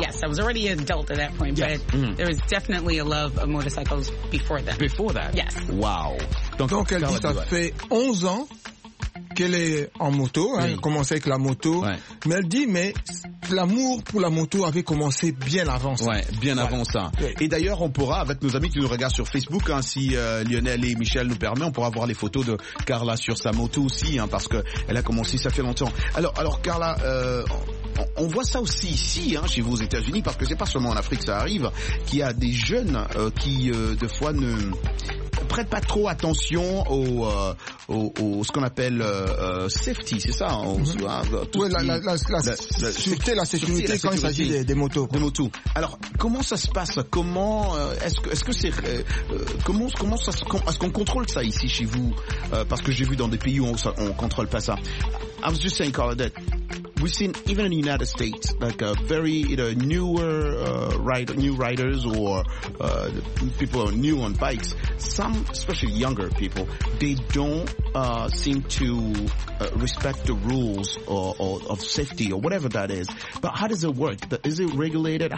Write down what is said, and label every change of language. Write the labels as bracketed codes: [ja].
[en] Yes, I was already an adult at that point, yes. But there was definitely a love of motorcycles before that. Before that? Yes. Wow. [fr] Donc elle dit, ça fait 11 ans qu'elle est en moto, elle a commencé avec la moto, mais elle dit, mais l'amour pour la moto avait commencé bien avant ça. Ouais, bien avant ça. Et d'ailleurs, on pourra, avec nos amis qui nous regardent sur Facebook, hein, si Lionel et Michel nous permettent, on pourra voir les photos de Carla sur sa moto aussi, hein, parce que elle a commencé, ça fait longtemps. Alors Carla, on voit ça aussi ici, hein, chez vous aux États-Unis, parce que c'est pas seulement en Afrique que ça arrive, qu'il y a des jeunes des fois ne prêtent pas trop attention au ce qu'on appelle safety, c'est ça, hein, la sécurité quand il s'agit des motos. Des motos. Alors comment ça se passe? Comment est-ce qu'on contrôle ça ici chez vous? Parce que j'ai vu dans des pays où on contrôle pas ça. [en] I was just saying, Carla, that we've seen even in the United States, like a very new riders or people are new on bikes. Some, especially younger people, they don't seem to respect the rules or of safety or whatever that is. But how does it work? Is it regulated?